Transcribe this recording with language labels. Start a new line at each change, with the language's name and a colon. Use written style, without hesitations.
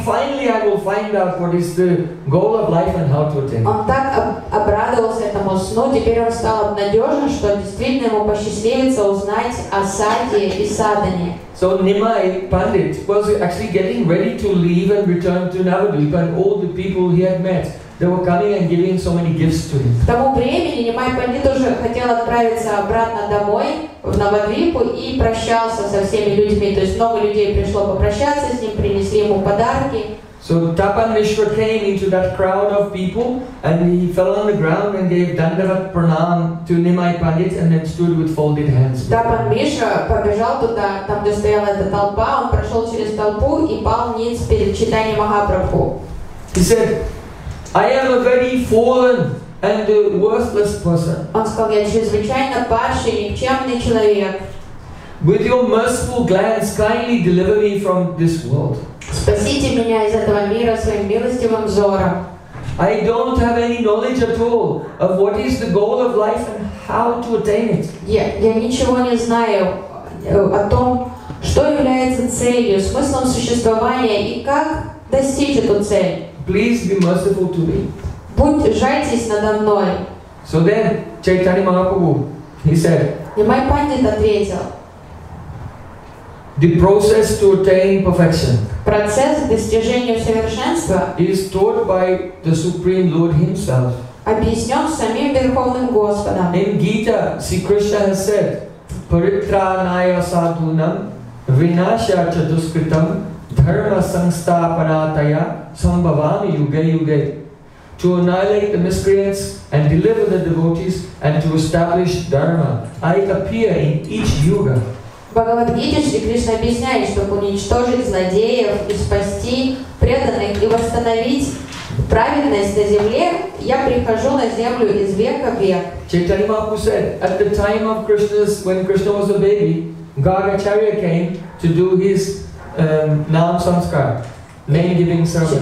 English: Finally, I will find out what is the goal of life and how to attain.
Russian: Он так обрадовался этому сну, теперь он стал обнадежен, что действительно ему посчастливится узнать о садхе и садхане.
English: So Nimai Pandit was actually getting ready to leave and return to Navadvipa, and all the people he had met, they were coming and giving so many gifts to him.
Russian: К тому времени Нимай Пандит уже хотел отправиться обратно домой в Навадвипу и прощался со всеми людьми. То есть много людей пришло попрощаться с ним, принесли ему подарки.
English: So Tapan Mishra came into that crowd of people and he fell on the ground and gave Dandavat Pranam to Nimai Pandit and then stood with folded hands.
Russian: Tapan Mishra побежал туда, там где стояла эта толпа, он прошел через толпу и пал ниц перед читанием Махапрабху.
English: He said, I am a very fallen and a worthless person.
Russian: Он сказал, я чрезвычайно падший, никчемный человек.
English: With your merciful glance, kindly deliver me from this world.
Russian: Спасите меня из этого мира своим милостивым взором.
English: I don't have any knowledge at all of what is the goal of life and how to attain it.
Russian: Я ничего не знаю о том, что является целью, смыслом существования и как достичь эту цель.
English: Please be merciful to me.
Russian: Будь жальтесь надо мной.
English: So then, Chaitanya Mahaprabhu, he said.
Russian: И мой пандит ответил.
English: The process to attain perfection.
Russian: Процесс достижения совершенства.
English: Is taught by the Supreme Lord Himself.
Russian: Объяснен самим Верховным Господом.
English: In Gita, Sri Krishna has said,
Sanskrit: "Paritra naya sadhunam, vinasya chaduskritam, dharma sangstapanataya, sambhavami yuge yuge."
English: To annihilate the miscreants and deliver the devotees and to establish dharma, I appear in each yuga.
Russian: Бхагавад-гите Шри Кришна объясняет, чтобы уничтожить злодеев и спасти преданных и восстановить праведность на земле, я прихожу на землю из века в век.
English: Chaitanya Mahaprabhu said, at the time of Krishna's, when Krishna was a baby, Gaura-acharya came to do his nam samskar, name giving ceremony.